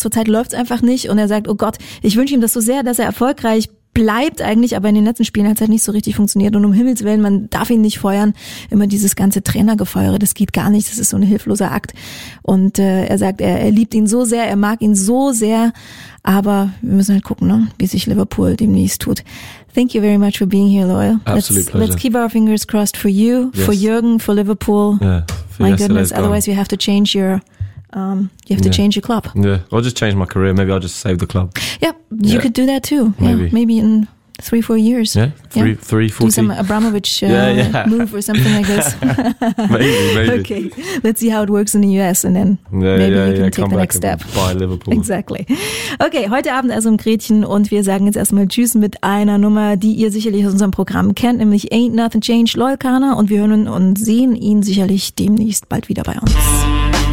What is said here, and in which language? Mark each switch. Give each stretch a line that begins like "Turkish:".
German: Zurzeit läuft's einfach nicht und er sagt, oh Gott, ich wünsche ihm das so sehr, dass er erfolgreich bleibt eigentlich, aber in den letzten Spielen hat es halt nicht so richtig funktioniert. Und um Himmels Willen, man darf ihn nicht feuern. Immer dieses ganze Trainergefeuere, das geht gar nicht. Das ist so ein hilfloser Akt. Und er sagt, er liebt ihn so sehr, er mag ihn so sehr. Aber wir müssen halt gucken, ne, wie sich Liverpool demnächst tut.
English: Thank you very much for being here, Loyal. Absolute pleasure. Let's keep our fingers crossed for you, for Jürgen, for Liverpool. Yeah, for my goodness, otherwise we have to change your... You have to change your club. Yeah, I'll just change my career. Maybe I'll just save the club. Yeah, you could do that too. Maybe in 3-4 years. Yeah, three, four. Do some Abramovich move or something like this. maybe. Okay, let's see how it works in the US and then come the next step. Buy Liverpool. Exactly.
German: Okay, heute Abend also im Gretchen und wir sagen jetzt erstmal Tschüss mit einer Nummer, die ihr sicherlich aus unserem Programm kennt, nämlich Ain't Nothing Changed, Loyal Kana, und wir hören und sehen ihn sicherlich demnächst bald wieder bei uns.